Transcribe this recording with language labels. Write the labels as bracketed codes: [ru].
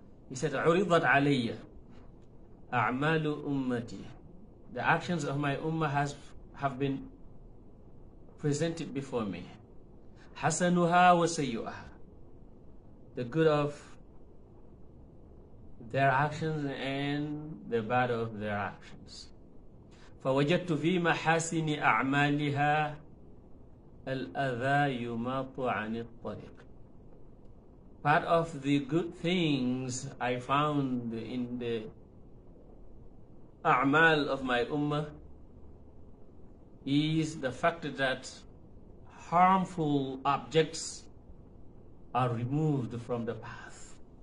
[en] He said, [ar] "عُرِضَتْ عَلَيَّ أَعْمَالُ أُمَّتِي." [en] The actions of my ummah have been presented before me. [ar] حَسَنُهَا وَسَيُّؤَهَا. [en] The good of their actions and the bad of their actions. [ar] فَوَجَدْتُ فِي مَحَاسِنِ أَعْمَالِهَا الأذى يماط عن الطريق. [en] Part of the good things I found in the أعمال of my ummah is the fact that harmful objects are removed from the path.